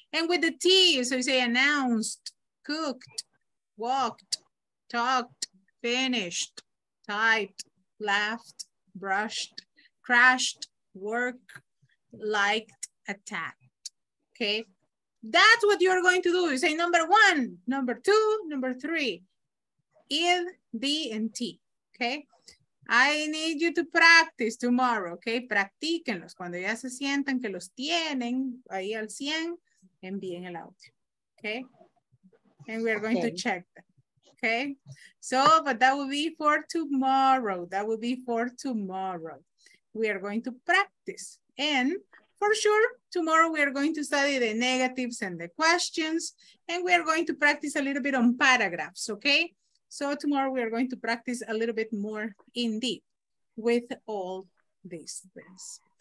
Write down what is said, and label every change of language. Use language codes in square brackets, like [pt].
[en] And with the T, so you say announced, cooked, walked, talked, finished, typed, laughed, brushed, crashed, worked, liked, attacked. Okay? That's what you're going to do. You say number one, number two, number three, in, the, and T. Okay? I need you to practice tomorrow, okay? Practíquenlos. [es] Cuando ya se sientan que los tienen ahí al 100, envíen el audio, okay? [en] And we are going to check that, okay? So, but that will be for tomorrow. That will be for tomorrow. We are going to practice. And for sure, tomorrow we are going to study the negatives and the questions. And we are going to practice a little bit on paragraphs, okay? So tomorrow we are going to practice a little bit more in deep with all these things.